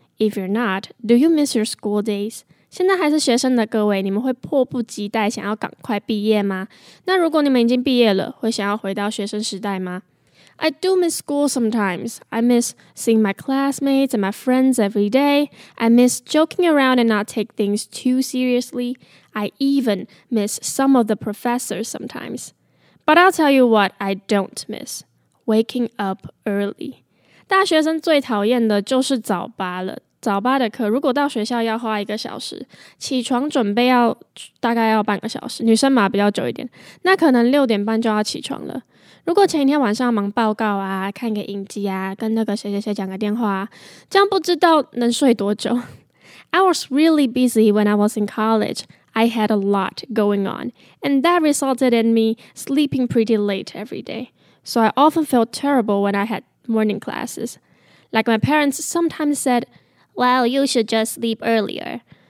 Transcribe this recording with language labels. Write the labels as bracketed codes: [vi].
[en] If you're not, do you miss your school days? [zh] 现在还是学生的各位，你们会迫不及待想要赶快毕业吗？那如果你们已经毕业了，会想要回到学生时代吗？ [en] I do miss school sometimes. I miss seeing my classmates and my friends every day. I miss joking around and not take things too seriously. I even miss some of the professors sometimes. But I'll tell you what I don't miss. Waking up early. [zh] 大学生最讨厌的就是早八了。早八的课如果到学校要花一个小时，起床准备要大概要半个小时，女生嘛比较久一点，那可能六点半就要起床了。如果前一天晚上忙报告啊，看个影集啊，跟那个谁谁谁讲个电话啊，这样不知道能睡多久。 [en] I was really busy when I was in college. I had a lot going on, and that resulted in me sleeping pretty late every day. So I often felt terrible when I had morning classes. Like my parents sometimes said, well, you should just sleep earlier.